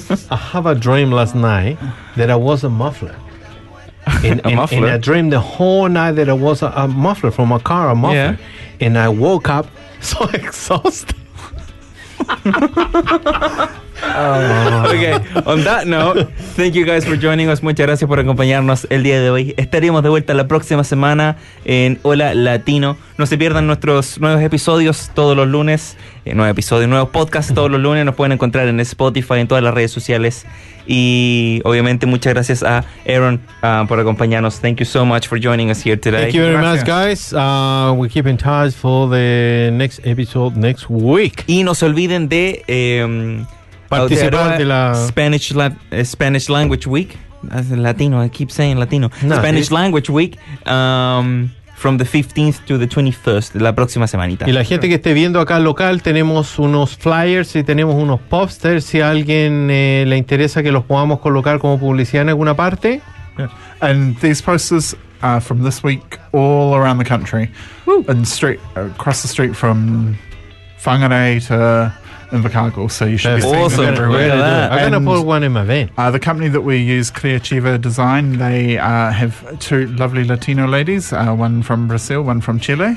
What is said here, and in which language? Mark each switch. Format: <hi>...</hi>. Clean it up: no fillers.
<en>I have a dream last night that I was a muffler. A muffler? And I dreamed the whole night that I was a muffler from a car, Yeah. And I woke up so exhausted. Okay, on that note, thank you guys for joining us.</en> <es>Muchas gracias por acompañarnos el día de hoy. Estaremos de vuelta la próxima semana en Hola Latino. No se pierdan nuestros nuevos episodios todos los lunes, nuevos episodios, nuevos podcasts todos los lunes. Nos pueden encontrar en Spotify, en todas las redes sociales. Y obviamente muchas gracias a Aaron por acompañarnos.</es> <en>Thank you so much for joining us here today. Thank you very much, guys. We keep in touch for the next episode next week.</en> <es>Y no se olviden de participar de la</es> <en>Spanish Language Week. Latino, I keep saying Latino. No, Spanish Language Week. From the 15th to the 21st,</en> <es>la próxima semanita. Y la gente que esté viendo acá local, tenemos unos flyers y tenemos unos posters. Si a alguien le interesa que los podamos colocar como publicidad en alguna parte.</es> <en>Yeah. And these posters are from this week all around the country. Woo. And straight across the street from Whangarei to Invercargill. So you should That's be awesome. Seeing them everywhere. I'm going to put one in my van. The company that we use, Clear Chiva Design, they have two lovely Latino ladies, one from Brazil, one from Chile.</en>